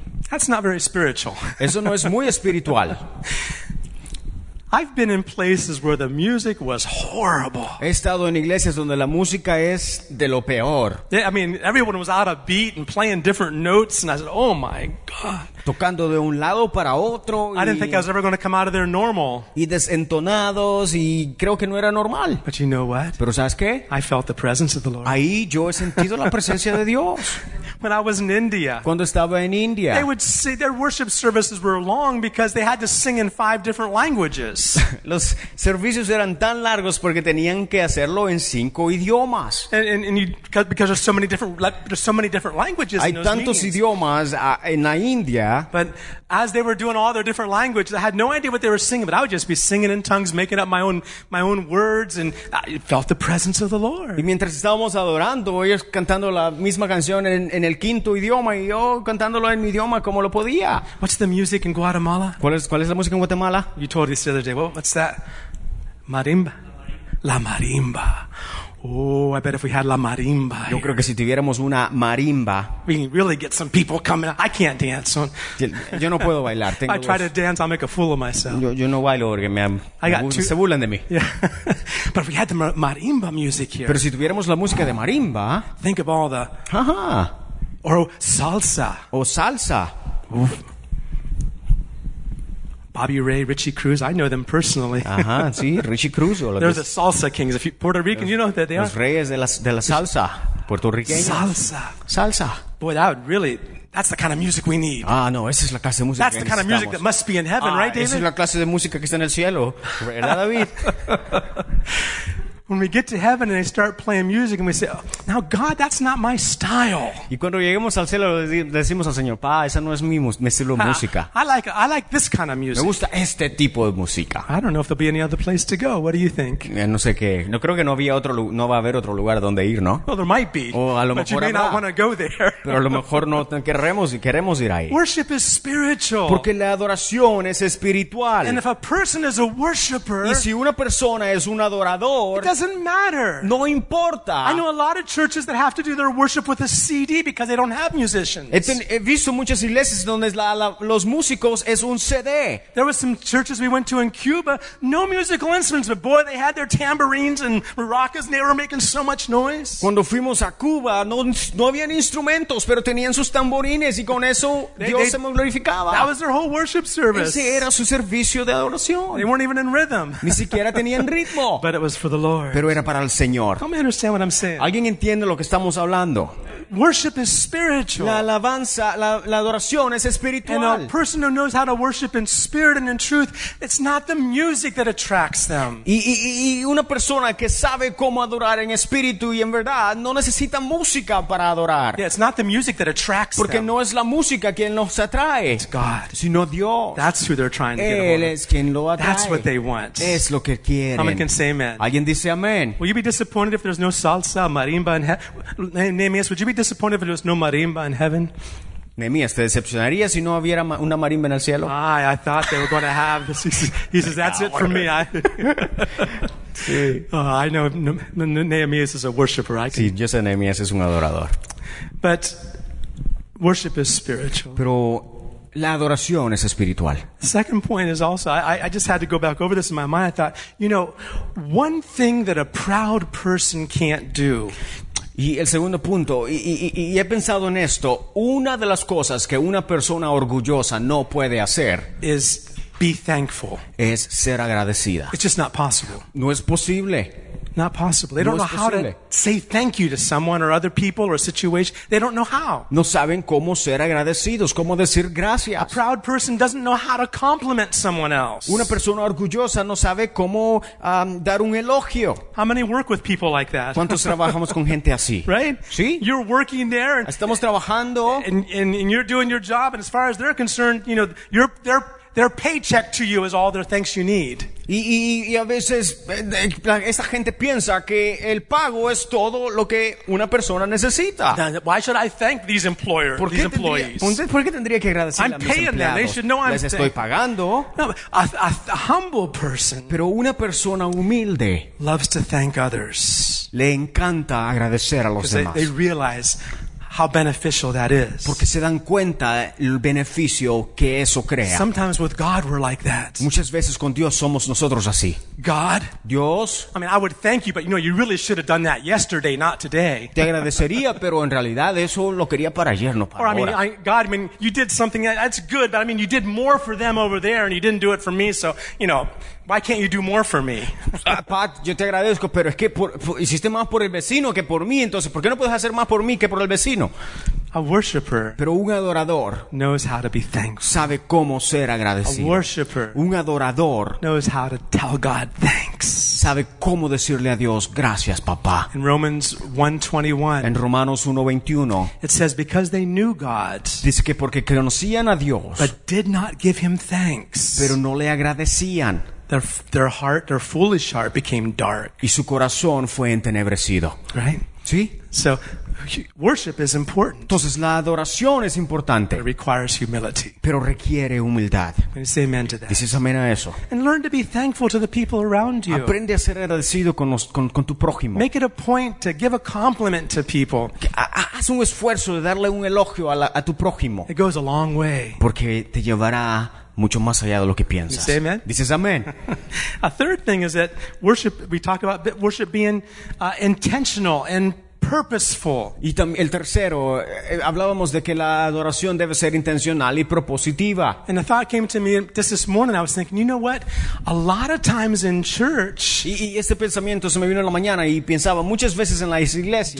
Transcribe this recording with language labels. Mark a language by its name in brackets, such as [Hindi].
[English] That's not very spiritual. [Spanish] Eso no es muy espiritual. [English] I've been in places where the music was horrible. [Spanish] He estado en iglesias donde la música es de lo peor. [English] Yeah, I mean, everyone was out of beat and playing different notes, and I said, "Oh my God!" [Spanish] Tocando de un lado para otro. [English] I didn't think I was ever going to come out of there normal. [Spanish] Y desentonados, y creo que no era normal. [English] But you know what? [Spanish] Pero sabes qué? [English] I felt the presence of the Lord. [Spanish] Ahí yo he sentido la presencia de Dios. [English] When I was in India. [Spanish] Cuando estaba en India. [English] They would say their worship services were long because they had to sing in 5 different languages. [Spanish] Los servicios eran tan largos porque tenían que hacerlo en 5 idiomas. [English] Because there's so many different languages. [Spanish] Hay tantos idiomas en la India. [English] But as they were doing all their different languages, I had no idea what they were singing, but I would just be singing in tongues, making up my own words, and I felt the presence of the Lord. [Spanish] Y mientras estábamos adorando, ellos cantando la misma canción en el quinto idioma y yo cantándolo en mi idioma como lo podía. [English] What's the music in Guatemala? [Spanish] ¿Cuál es la música en Guatemala? [English] You told us the other day. Well, what's that? Marimba. La marimba. Oh, I bet if we had la marimba. [Spanish] Yo creo que si tuviéramos una marimba, [English] we can really get some people coming out. I can't dance. So. [Spanish] Yo no puedo bailar. [English] If I try to dance, I'll make a fool of myself. [Spanish] Yo no bailo porque se burlan de mí. [English] Yeah. But if we had the marimba music here. [Spanish] Pero si tuviéramos la música de marimba, [English] think of all the. [Spanish] Ajá. [English] Or salsa. [Spanish] O salsa. Uf. [English] Bobby Ray, Richie Cruz, I know them personally. [Spanish] Ajá, sí, Richie Cruz. [English] They're the salsa kings. If you're Puerto Rican, you know that they are. [Spanish] Los reyes de la salsa, puertorriqueños. [English] Salsa. [Spanish] Salsa. [English] Boy, that would really, that's the kind of music we need. [Spanish] Ah, no, esa es la clase de música [English] that's [Spanish] que [English] the kind of music that must be in heaven, right, David? [Spanish] Esa es la clase de música que está en el cielo, ¿verdad, David? [English] When we get to heaven and they start playing music and we say, oh, now God, that's not my style. [Spanish] Y cuando lleguemos al cielo le decimos al Señor, pa, esa no es mi estilo de música. [English] I like this kind of music. [Spanish] Me gusta este tipo de música. [English] I don't know if there'll be any other place to go. What do you think? [Spanish] No sé qué. No creo que no va a haber otro lugar donde ir, ¿no? [English] Well, there might be. [Spanish] O a lo [English] but [Spanish] mejor [English] you may [Spanish] habrá. [English] Not want to go there. [Spanish] Pero a lo mejor no queremos ir ahí. [English] Worship is spiritual. [Spanish] Porque la adoración es espiritual. [English] And if a person is a worshiper, [Spanish] y si una persona es un adorador, [English] it doesn't doesn't matter. [Spanish] No importa. [English] I know a lot of churches that have to do their worship with a CD because they don't have musicians. [Spanish] He visto muchas iglesias donde los músicos es un CD. [English] There were some churches we went to in Cuba, no musical instruments, but boy, they had their tambourines and maracas and they were making so much noise. [Spanish] Cuando fuimos a Cuba, no habían instrumentos, pero tenían sus tamborines y con eso Dios se glorificaba. [English] That was their whole worship service. [Spanish] Ese era su servicio de adoración. [English] They weren't even in rhythm. [Spanish] Ni siquiera tenían ritmo. [English] But it was for the Lord. [Spanish] Pero era para el Señor. [English] Come understand what I'm saying. [Spanish] ¿Alguien entiende lo que estamos hablando? [English] Worship is spiritual. [Spanish] La alabanza, la adoración es espiritual. [English] And a person who knows how to worship in spirit and in truth, it's not the music that attracts them. [Spanish] Y una persona que sabe cómo adorar en espíritu y en verdad no necesita música para adorar. [English] Yeah, it's not the music that attracts [Spanish] Porque [English] them. [Spanish] No es la música quien los atrae. [English] It's God. [Spanish] Sino Dios. [English] That's who they're trying to [Spanish] Él [English] get a hold of. [Spanish] Es quien lo atrae. [English] That's what they want. [Spanish] Es lo que quieren. [English] Someone can say amen. [Spanish] Alguien dice amén. [English] Will you be disappointed if there's no salsa, marimba, and Nehemias, would you be disappointed if there was no marimba in heaven? [Spanish] Nehemias, ¿te decepcionaría si no hubiera una marimba en el cielo? [English] I thought they were going to have this. He says, that's it for me. I know Nehemias is a worshiper. [Spanish] Sí, yo sé Nehemias es un adorador. [English] But worship is spiritual. [Spanish] Pero la adoración es espiritual. [English] Second point is also, I just had to go back over this in my mind. I thought, you know, one thing that a proud person can't do. [Spanish] Y el segundo punto, y he pensado en esto, una de las cosas que una persona orgullosa no puede hacer [English] is be thankful. [Spanish] Es ser agradecida. [English] It's just not possible. [Spanish] No es posible. [English] Not possible. They don't know how to say thank you to someone or other people or a situation. They don't know how. [Spanish] No saben cómo ser agradecidos, cómo decir gracias. [English] A proud person doesn't know how to compliment someone else. [Spanish] Una persona orgullosa no sabe cómo dar un elogio. [English] How many work with people like that? [Spanish] ¿Cuántos trabajamos con gente así? [English] Right? [Spanish] Sí. [English] You're working there. [Spanish] Estamos trabajando. [English] And you're doing your job. And as far as they're concerned, you know, their paycheck to you is all their thanks you need. [Spanish] Y a veces esa gente piensa que el pago es todo lo que una persona necesita. [English] Now, why should I thank these employers? [Spanish] ¿Por qué [English] these employees? [Spanish] ¿Por qué tendría que agradecerle [English] I'm [Spanish] a mis empleados? [English] Them. They should know I'm [Spanish] Les estoy pagando. [English] A humble person. [Spanish] Pero una persona humilde [English] loves to thank others. [Spanish] Le encanta agradecer a los demás. [English] They realize how beneficial that is. [Spanish] Porque se dan cuenta el beneficio que eso crea. [English] Sometimes with God we're like that. [Spanish] Muchas veces con Dios somos nosotros así. [English] God, [Spanish] Dios. [English] I mean, I would thank you, but you know, you really should have done that yesterday, not today. [Spanish] Te agradecería, pero en realidad eso lo quería para ayer, no para ahora. [English] Or God, I mean, you did something that's good, but I mean, you did more for them over there, and you didn't do it for me, so you know. Why can't you do more for me? [Spanish] Pat, yo te agradezco, pero es que hiciste más por el vecino que por mí, entonces, ¿por qué no puedes hacer más por mí que por el vecino? [English] A worshipper. [Spanish] Pero un adorador [English] knows how to be thankful. [Spanish] Sabe cómo ser agradecido. [English] A worshipper. [Spanish] Un adorador [English] knows how to tell God thanks. [Spanish] Sabe cómo decirle a Dios gracias, papá. [English] In Romans 1:21. [Spanish] En Romanos 1:21. [English] It says because they knew God. [Spanish] Dice que porque conocían a Dios. [English] But did not give him thanks. [Spanish] Pero no le agradecían. [English] Their heart, their foolish heart became dark. [Spanish] Y su corazón fue entenebrecido. [English] Right? [Spanish] Sí. [English] So worship is important. [Spanish] Entonces la adoración es importante. [English] It requires humility. [Spanish] Pero requiere humildad. [English] Can you say amen to that? [Spanish] Dices amén a eso. [English] And learn to be thankful to the people around you. [Spanish] Aprende a ser agradecido con tu prójimo. [English] Make it a point to give a compliment to people. [Spanish] Haz un esfuerzo de darle un elogio a tu prójimo. [English] It goes a long way. [Spanish] Porque te llevará mucho más allá de lo que piensas. [English] Say amen? [Spanish] Dices amén. [English] A third thing is that worship, we talk about worship being intentional and purposeful. [Spanish] Y el tercero, hablábamos de que la adoración debe ser intencional y propositiva. [English] And the thought came to me this morning. I was thinking, you know what? A lot of times in church. [Spanish] Y este pensamiento se me vino en la mañana y pensaba muchas veces en las iglesias.